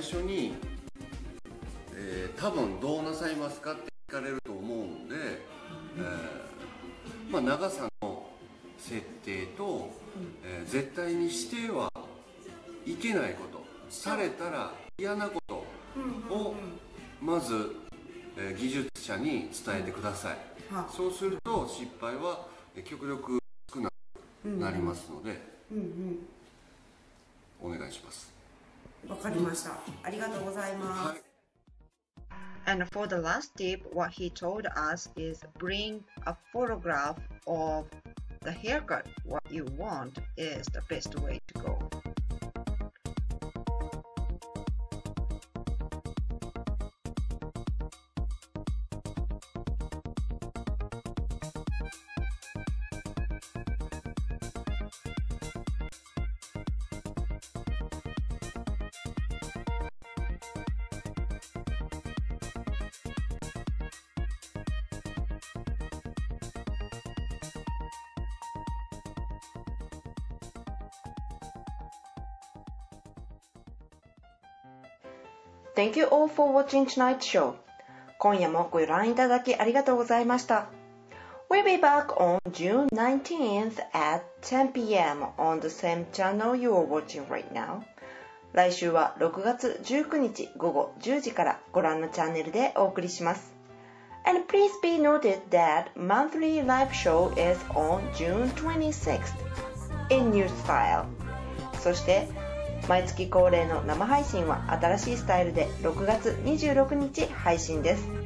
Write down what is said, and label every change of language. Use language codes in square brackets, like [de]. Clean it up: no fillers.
[ja] 最初に多分どうなさいますかって聞かれると思うんで、まあ、長さの設定と、絶対にしてはいけないこと、されたら嫌なことをまず、技術者に伝えてください。そうすると失敗は極力少なくなりますので、お願いします。わかりました。ありがとうございます。はい。 [en] And for the last tip, what he told us is bring a photograph of the haircut what you want is the best way to go. Thank you all for watching tonight's show. [ja] 今夜もご覧いただきありがとうございました。 [en] We'll be back on June 19th at 10 p.m. on the same channel you are watching right now. [ja] 来週は6月19日午後10時からご覧のチャンネルでお送りします。 [en] And please be noted that monthly live show is on June 26th in new style. [ja] そして毎月恒例の生配信は新しいスタイルで6月26日配信です。